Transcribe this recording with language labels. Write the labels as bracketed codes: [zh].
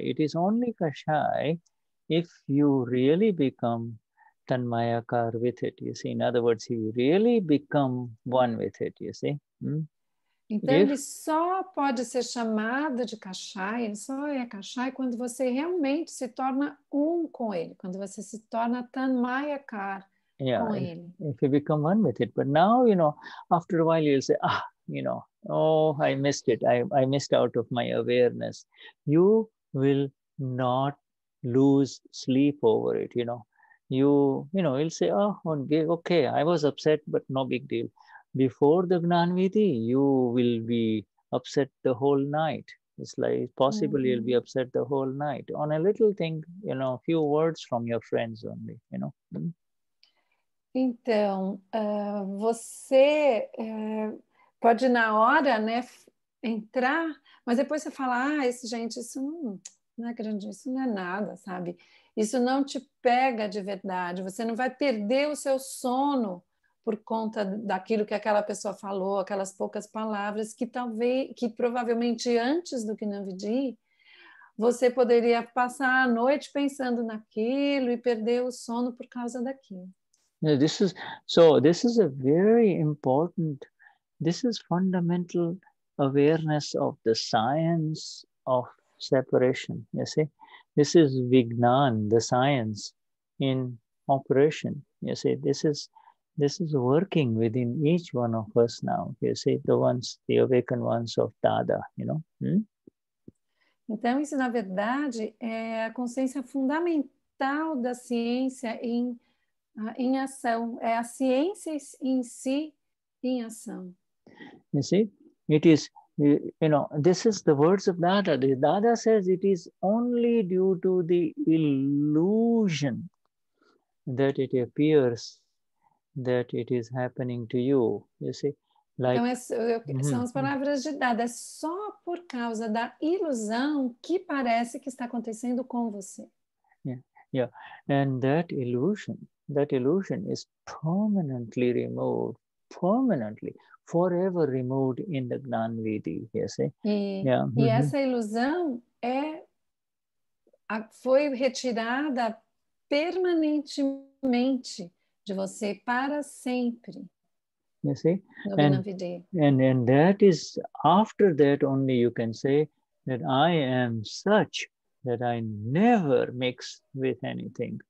[en] It is only cachai if you really become tanmayakar with it, you see. In other words, he really become one with it, you see. [pt] Então, ele só pode ser chamado de kashai, ele só é kashai quando você realmente se torna um com ele, quando você se torna tanmayakar com ele. [en] If you become one with it. But now, you know, after a while, you'll say, ah, you know, oh, I missed it. I missed out of my awareness. You will not lose sleep over it, you know. You know, you'll say, oh, okay, I was upset, but no big deal. Before the Gnanvidhi, you will be upset the whole night. It's like, possibly you'll be upset the whole night on a little thing, you know, a few words from your friends only, you know. [pt] Então, você pode na hora, né, entrar, mas depois você fala, ah, esse gente, isso não é grande, isso não é nada, sabe? Isso não te pega de verdade. Você não vai perder o seu sono por conta daquilo que aquela pessoa falou, aquelas poucas palavras que talvez, que provavelmente antes do Gnanvidhi, você poderia passar a noite pensando naquilo e perder o sono por causa daquilo. [en] This is a very important, this is fundamental awareness of the science of separation, you see? This is Vignan, the science in operation. You see, this is working within each one of us now. You see, the ones, the awakened ones of Dada, you know. [pt] Então, isso, na verdade, é a consciência fundamental da ciência em ação. É a ciência em si em ação. [en] You see, it is... You know, this is the words of Dada. Dada says it is only due to the illusion that it appears that it is happening to you. You see, like. [pt] Então, são as palavras de Dada. É só por causa da ilusão que parece que está acontecendo com você. [en] Yeah. And that illusion is permanently removed permanently, forever removed in the Gnanvidhi. Yes, eh? E, yeah. [pt] Mm-hmm. E essa ilusão é foi retirada permanentemente de você para sempre. [en] You see? And that is after that only you can say that I am such that I never mix with anything.